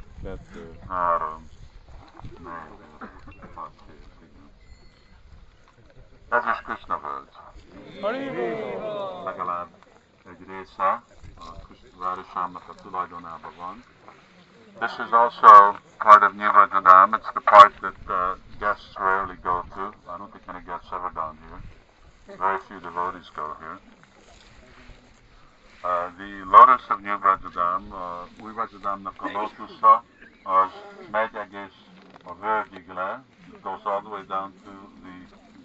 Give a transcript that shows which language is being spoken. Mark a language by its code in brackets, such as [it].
[hu] kettő, három, négy, hat, hét, igen. Ez is Krisna völgy. Legalább egy része a városának a tulajdonában van. [en] This is also part of New Rajadam. It's the part that guests rarely go to. I don't think any guests ever gone here. Very few devotees go here. The lotus of New Rajadam, [hu] Új Rajadamnak a lotusa, az megy egész a völgyig le. [en] It goes all the way down to the...